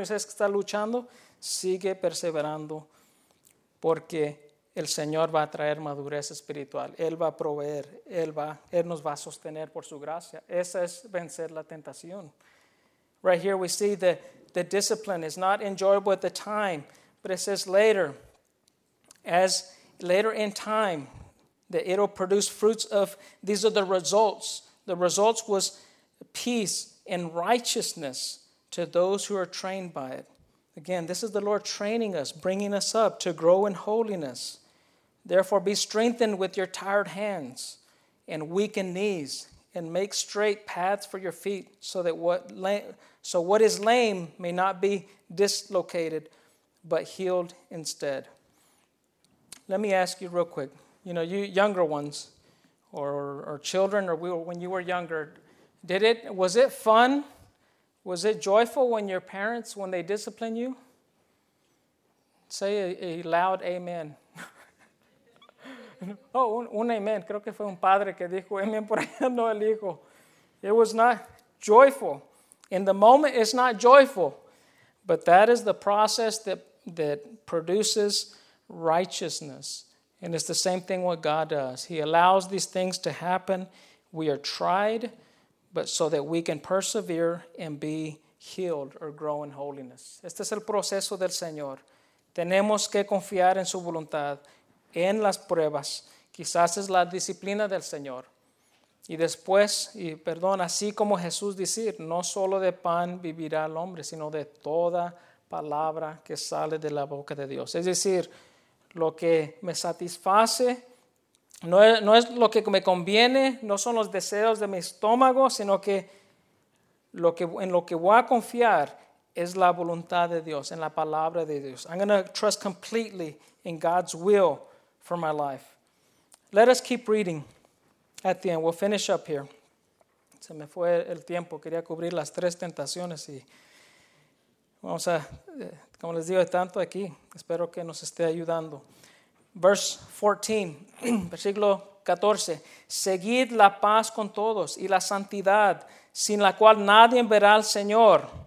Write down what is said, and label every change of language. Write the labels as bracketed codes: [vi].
[es] Yo sé que están luchando. Sigue perseverando porque el Señor va a traer madurez espiritual. Él va a proveer. Él nos va a sostener por su gracia. Esa es vencer la tentación. [en] Right here we see that the discipline is not enjoyable at the time, but it says later, as later in time, that it'll produce fruits of, these are the results. The results was peace and righteousness to those who are trained by it. Again, this is the Lord training us, bringing us up to grow in holiness. Therefore, be strengthened with your tired hands and weakened knees, and make straight paths for your feet so what is lame may not be dislocated, but healed instead. Let me ask you real quick. You know, you younger ones or children or when you were younger, was it fun? Was it joyful when your parents, when they discipline you? Say a loud amen. [es] Oh, un amen. Creo que fue un padre que dijo amen por allá, no el hijo. [en] It was not joyful. In the moment, it's not joyful. But that is the process that produces righteousness. And it's the same thing what God does. He allows these things to happen. We are tried, but so that we can persevere and be healed or grow in holiness. [es] Este es el proceso del Señor. Tenemos que confiar en su voluntad. En las pruebas, quizás es la disciplina del Señor. Y después, y perdón, así como Jesús decir, no solo de pan vivirá el hombre, sino de toda palabra que sale de la boca de Dios. Es decir, lo que me satisface no es lo que me conviene, no son los deseos de mi estómago, sino que en lo que voy a confiar es la voluntad de Dios, en la palabra de Dios. [en] I'm going to trust completely in God's will for my life. Let us keep reading at the end. We'll finish up here. [es] se me fue el tiempo. Quería cubrir las tres tentaciones y vamos a, como les digo, tanto aquí. Espero que nos esté ayudando. [en] Verse 14, [es] versículo 14. Seguid la paz con todos y la santidad, sin la cual nadie verá al Señor.